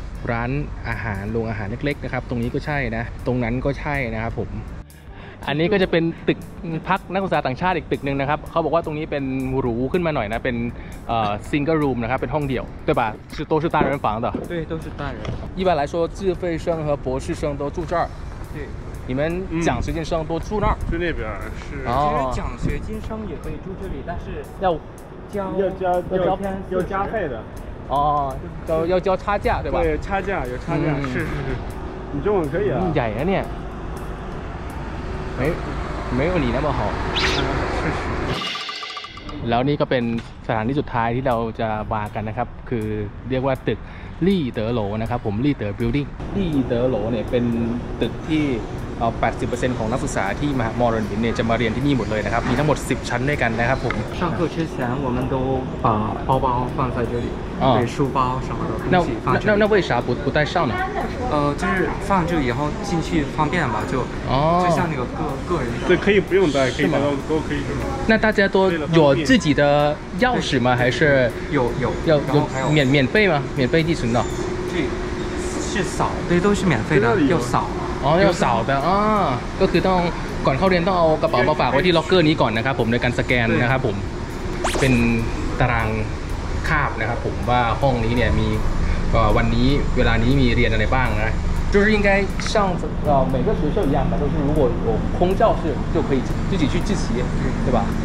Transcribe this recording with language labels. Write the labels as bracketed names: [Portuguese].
[Thai] ร้านอาหารโรงอาหารเล็กๆนะครับตรงนี้ก็ใช่นะตรงนั้นก็ใช่นะครับผมอันนี้ก็จะเป็นตึกพักนักศึกษาต่างชาติอีกตึกนึงนะครับเขาบอกว่าตรงนี้เป็นหรูขึ้นมาหน่อยนะเป็นซิงเกิลรูมนะครับเป็นห้องเดี่ยวใช่ป่ะ [Chinese] 是都是单人房的对都是单人一般来说自费生和博士生都住这儿对你们奖学金生都住那儿就那边是其实奖学金生也可以住这里但是要加费的哦要交差价对吧对差价有差价是你中文可以啊矮啊你没有你那么好 [Thai] แล้วนี่ก็เป็นสถานที่สุดท้ายที่เราจะมากันนะครับคือเรียกว่าตึกลี่เต๋อโหลนะครับผมลี่เต๋อบิลดิ้งลี่เต๋อโหลเนี่ยเป็นตึกที่ 80% ของนักศึกษาที่มหาวิทยาลัยเนี่ยจะมาเรียนที่นี่หมดเลยนะครับมีทั้งหมด10ชั้นด้วยกันนะครับผม [Chinese] 上课之前我们都把包包放在这里对书包什么的东西放这里那为啥不带上呢就是放这里以后进去方便吧就像那个个人的对可以不用带可以带到都可以是吗那大家都有自己的钥匙吗还是有免费吗免费寄存的这是扫对都是免费的要扫要扫的 [Thai] ก็คือต้องก่อนเข้าเรียนต้องเอากระเป๋ามาฝากไว้ที่ล็อกเกอร์นี้ก่อนนะครับผมในการสแกนนะครับผมเป็นตารางคาบนะครับผมว่าห้องนี้เนี่ยมีวันนี้เวลานี้มีเรียนอะไรบ้างนะ [Chinese] 就是应该像每个学校一样吧就是如果有空教室就可以自己去自习对吧